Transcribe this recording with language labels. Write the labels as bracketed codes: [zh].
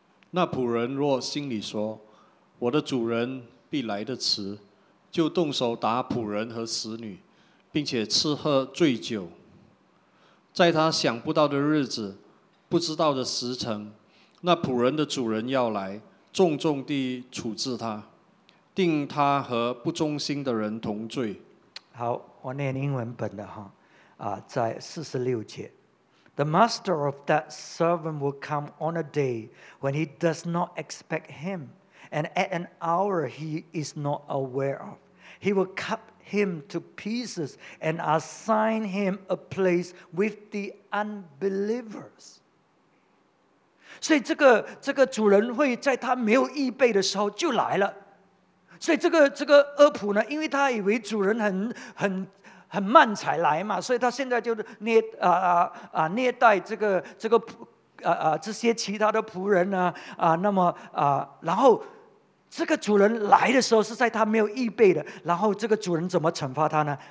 [zh] 那仆人若心里说，我的主人必来得迟，就动手打仆人和使女，并且吃喝醉酒，在他想不到的日子，不知道的时辰，那仆人的主人要来，重重地处置他，定他和不忠心的人同罪。好，我念英文本的哈，在46。 [en] The master of that servant will come on a day when he does not expect him, and at an hour he is not aware of. He will cut him to pieces and assign him a place with the unbelievers. [zh] 所以这个主人会在他没有预备的时候就来了。所以这个厄普呢，因为他以为主人很慢才来嘛，所以他现在就虐待这些其他的仆人呢然后这个主人来的时候是在他没有预备的，然后这个主人怎么惩罚他呢？